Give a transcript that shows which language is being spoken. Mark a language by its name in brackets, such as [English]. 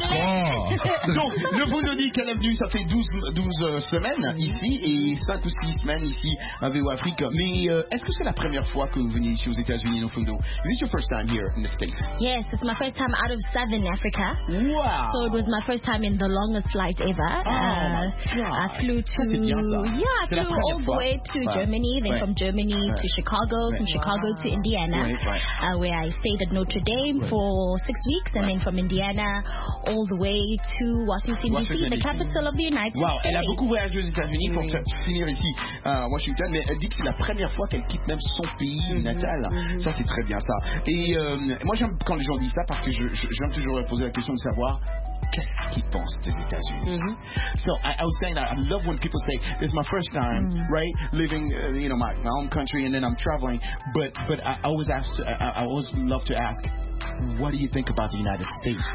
[French] Donc, le Nofundo dit qu'elle est venue, ça fait 12 semaines ici et 5 ou 6 semaines ici à VOA Afrique. Mais est-ce que c'est la première fois que vous venez ici aux États-Unis, Nofundo? [English] Is it your first time here in the States? Yes, it's my first time out of Southern Africa. Wow! So it was my first time in the longest flight ever. Oh, I flew to. Yeah, I flew all the way to Germany, then from Germany to Chicago, from Chicago to Indiana, where I stayed at Notre Dame for 6 weeks, and then from Indiana all the way to Washington D.C., the capital of the United States. [French] Wow, elle a beaucoup voyagé aux États-Unis pour finir ici à Washington, mais elle dit que c'est la première fois qu'elle quitte même son pays natal. Ça, c'est très bien, ça. Et moi, j'aime quand les gens disent ça, parce que j'aime toujours poser la question de savoir qu'est-ce qu'ils pensent des États-Unis. [English] So, I was saying that I love when people say, this is my first time, right, living, you know, my home country, and then I'm traveling, but I always ask, I always love to ask, what do you think about the United States?